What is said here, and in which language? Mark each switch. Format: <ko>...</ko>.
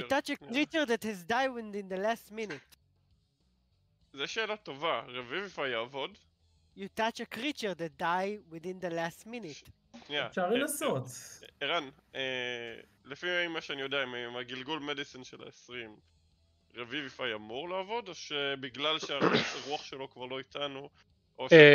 <en>You touch a creature that has died in the last minute.</en> <he>זה שאלה טובה, רביביפיי יעבוד?</he> <en>You touch a creature that died within the last minute.</en> <he>אפשר לנסות. ערן, לפי מה שאני יודע, עם הגלגול מדיסן של ה-20, רביביפיי אמור לעבוד, או שבגלל שהרוח שלו כבר לא איתנו, או</he>